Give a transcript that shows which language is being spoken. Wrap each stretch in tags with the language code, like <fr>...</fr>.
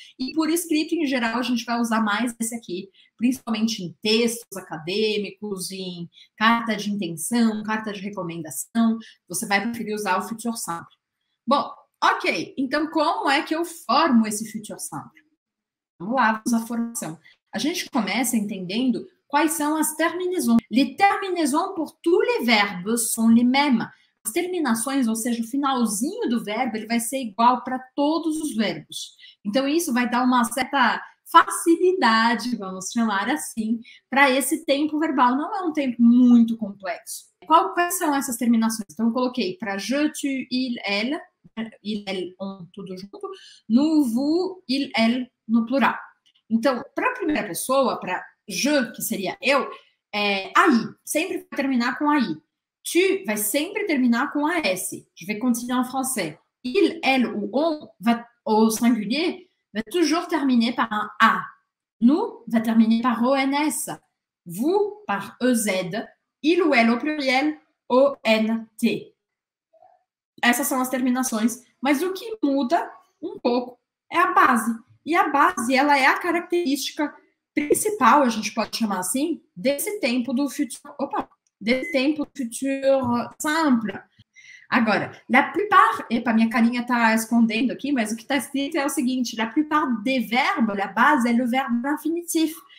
<pt>E por escrito, em geral, a gente vai usar mais esse aqui, principalmente em textos acadêmicos, em carta de intenção, carta de recomendação. Você vai preferir usar o futur simple. Bom, ok. Então, como é que eu formo esse futur simple? Vamos lá, vamos à formação. A gente começa entendendo quais são as terminaisons.</pt> <fr>Les terminaisons pour tous les verbes sont les mêmes.</fr> <pt>As terminações, ou seja, o finalzinho do verbo, ele vai ser igual para todos os verbos. Então, isso vai dar uma certa facilidade, vamos chamar assim, para esse tempo verbal. Não é um tempo muito complexo. Quais são essas terminações? Então, eu coloquei para je, tu, il, elle, on, tudo junto, nous, vous, il, elle, no plural. Então, para a primeira pessoa, para je, que seria eu, é aí, sempre vai terminar com aí. Tu vai sempre terminar com a S.</pt> <fr>Je vais continuer en français. Il, elle ou on, au singulier, va toujours terminer par un A. Nous, va terminer par ONS. Vous, par EZ. Il ou elle au pluriel, ONT.</fr> <pt>Essas são as terminações. Mas o que muda um pouco é a base. E a base, ela é a característica principal, a gente pode chamar assim, desse tempo do futuro. Opa! Desse tempo futuro simple. Agora,</pt> <fr>la plupart,</fr> <pt>epa, minha carinha está escondendo aqui, mas o que está escrito é o seguinte:</pt> <fr>la plupart des verbes,</fr> <pt>la base é o verbo infinitif.</pt>